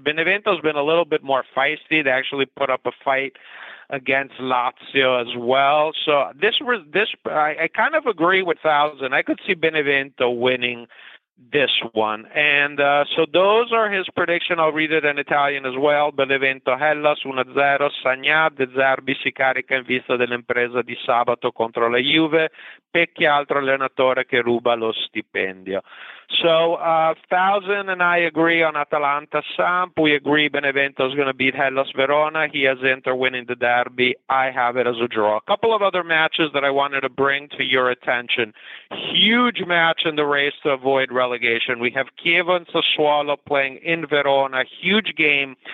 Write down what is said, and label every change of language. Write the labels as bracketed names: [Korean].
[English] Benevento's been a little bit more feisty. They actually put up a fight against Lazio as well. So I kind of agree with Thousand. I could see Benevento winning this one. And so those are his prediction. I'll read it in Italian as well. [Italian] Benevento Hellas 1-0, Sagna, De Zerbi si carica in vista dell'impresa di sabato contro la Juve, Pecchia altro allenatore che ruba lo stipendio. [English] So Fausen and I agree on Atalanta Samp. We agree Benevento is going to beat Hellas Verona. He has Inter winning the derby. I have it as a draw. A couple of other matches that I wanted to bring to your attention. Huge match in the race to avoid relegation. We have Chievo and Sassuolo playing in Verona. Huge game.